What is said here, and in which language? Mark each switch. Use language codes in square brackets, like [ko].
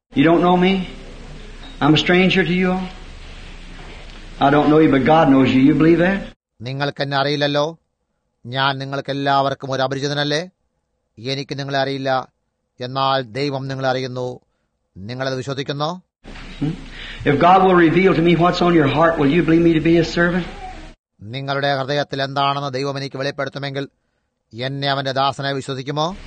[en] You don't know me? I'm a stranger to you. I don't know you, but God knows you. You believe that? [ml] നിങ്ങൾക്ക് എന്നെ അറിയില്ലല്ലോ. ഞാൻ നിങ്ങൾക്കെല്ലാവർക്കും ഒരു അപരിചിതനല്ലേ? എനിക്ക് നിങ്ങളെ അറിയില്ല. എന്നാൽ ദൈവം നിങ്ങളെ അറിയുന്നു. നിങ്ങളത് വിശ്വസിക്കുന്നോ? [en] If God will reveal to me what's on your heart, will you believe me to be his servant? [ml] നിങ്ങളുടെ ഹൃദയത്തിൽ എന്താണെന്ന് ദൈവം എനിക്ക് വെളിപ്പെടുത്തുമെങ്കിൽ എന്നെ അവന്റെ ദാസനെ വിശ്വസിക്കുമോ?